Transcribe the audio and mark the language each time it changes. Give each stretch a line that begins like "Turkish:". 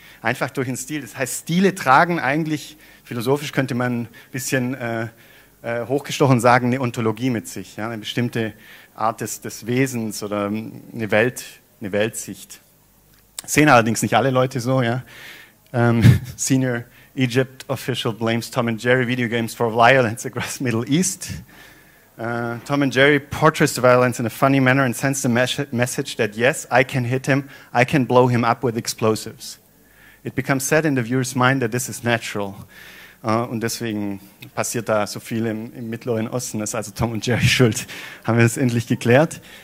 German: Einfach durch den Stil. Das heißt, Stile tragen eigentlich, philosophisch könnte man ein bisschen hochgestochen sagen, eine Ontologie mit sich, ja? Eine bestimmte Art des Wesens oder eine Weltsicht. Sehen allerdings nicht alle Leute so. Ja?
English: Senior Egypt official blames Tom and Jerry video games for violence across Middle East. Tom and Jerry portrays the violence in a funny manner and sends the message that yes, I can hit him, I can blow him up with explosives. It becomes said in the viewer's mind that this is natural.
German: Und deswegen passiert da so viel im Mittleren Osten, das ist also Tom und Jerry schuld, haben wir das endlich geklärt.